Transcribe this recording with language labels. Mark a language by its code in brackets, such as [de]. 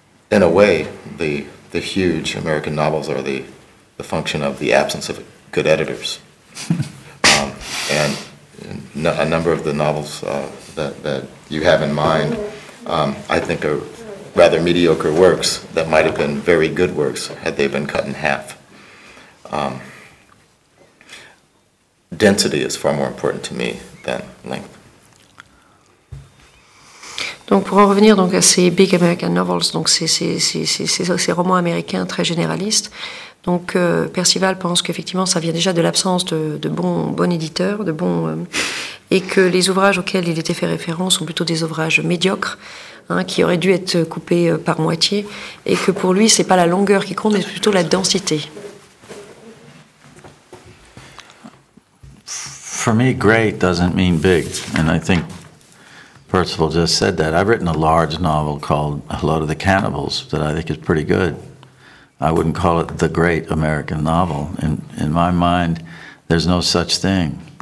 [en] In a way, the huge American novels are the function of the absence of good editors, a number of the novels that you have in mind, I think are rather mediocre works that might have been very good works had they been cut in half. Density is far more important to me than length. [fr] Donc pour en revenir donc à ces [en] big American novels, [fr] donc ces romans américains très généralistes. Donc Percival pense qu'effectivement ça vient déjà de l'absence de bons éditeurs, et que les ouvrages auxquels il était fait référence sont plutôt des ouvrages médiocres, hein, qui auraient dû être coupés par moitié, et que pour lui c'est pas la longueur qui compte, mais plutôt la densité. [en] For me, great doesn't mean big, and I think Percival just said that. I've written a large novel called A Load of the Cannibals that I think is pretty good. I wouldn't call it the great American novel. In my mind, there's no such thing.